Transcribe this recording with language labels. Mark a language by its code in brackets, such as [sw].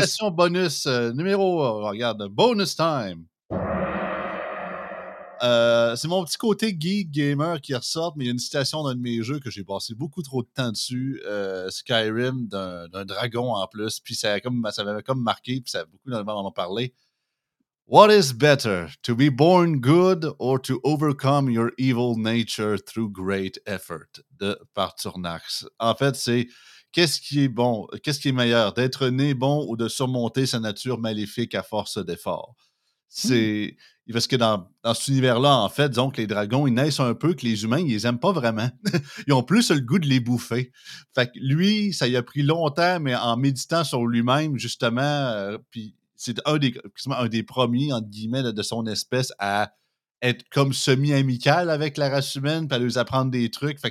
[fr] Session bonus numéro. Regarde, [en] bonus time. [fr] C'est mon petit côté geek gamer qui ressort, mais il y a une citation d'un de mes jeux que j'ai passé beaucoup trop de temps dessus, Skyrim, d'un dragon en plus, puis ça m'avait comme marqué, puis ça a beaucoup d'en en parlé. [en] What is better, to be born good or to overcome your evil nature through great effort? [fr] De Parturnax. En fait, c'est qu'est-ce qui est bon, qu'est-ce qui est meilleur, d'être né bon ou de surmonter sa nature maléfique à force d'effort? C'est... Parce que dans cet univers-là, en fait, disons que les dragons, ils naissent un peu que les humains, ils les aiment pas vraiment. Ils ont plus le goût de les bouffer. Fait que lui, ça y a pris longtemps, mais en méditant sur lui-même, justement, puis c'est un des premiers, entre guillemets, de son espèce à être comme semi-amical avec la race humaine, puis à lui apprendre des trucs.